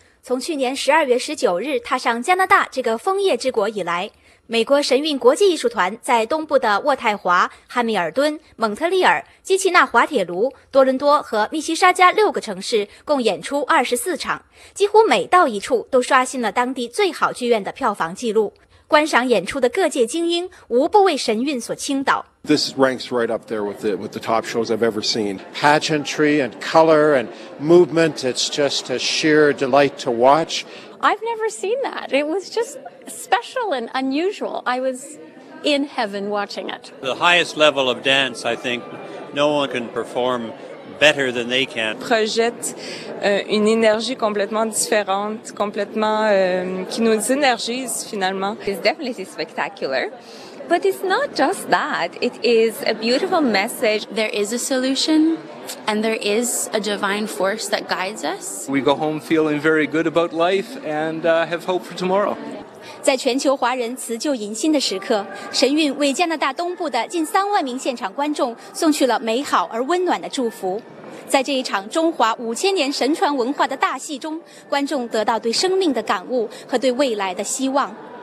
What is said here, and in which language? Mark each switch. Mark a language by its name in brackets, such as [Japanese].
[Chinese] 从去年12月19日踏上加拿大这个枫叶之国以来，美国神韵国际艺术团在东部的渥太华、汉密尔顿、蒙特利尔、基奇纳滑铁卢、多伦多和密西沙加六个城市共演出24场，几乎每到一处都刷新了当地最好剧院的票房记录。观赏演出的各界精英无不为神韵所倾倒。 [English] This ranks right up there with the top shows I've ever seen. Pageantry and color and movement, it's just a sheer delight to watch. I've never seen that. It was just special and unusual. I was in heaven watching it. The highest level of dance, I think, no one can perform better than they can. [French] Projette une énergie complètement différente, complètement qui nous énergise finalement. [English] It's definitely spectacular. But it's not just that. It is a beautiful message. There is a solution, and there is a divine force that guides us. We go home feeling very good about life and have hope for tomorrow. [Chinese] 在全球华人辞旧迎新的时刻，神韵为加拿大东部的近30,000名现场观众送去了美好而温暖的祝福。在这一场中华5000年神传文化的大戏中，观众得到对生命的感悟和对未来的希望。